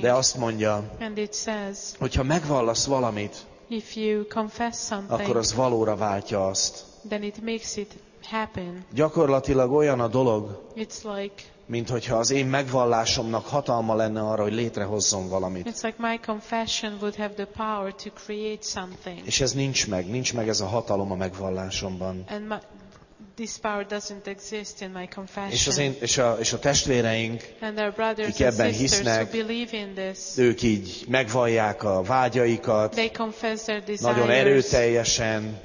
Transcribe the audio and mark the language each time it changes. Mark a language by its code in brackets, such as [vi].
[hu] De azt mondja, [en] and it says, [hu] hogyha megvallasz valamit, [en] if you confess something, [hu] akkor az valóra váltja azt. [en] Then it makes it happen. [hu] Gyakorlatilag olyan a dolog, [en] it's like, [hu] mint hogyha az én megvallásomnak hatalma lenne arra, hogy létrehozzon valamit. [en] It's like my confession would have the power to create something. [hu] És ez nincs meg ez a hatalom a megvallásomban. [en] And my, This power doesn't exist in my confession. [hu] És a testvéreink, [en] and our brothers [hu] akik ebben hisznek, [en] who believe in this, [hu] ők így megvallják a vágyaikat, [en] they confess their desires, [hu] nagyon erőteljesen,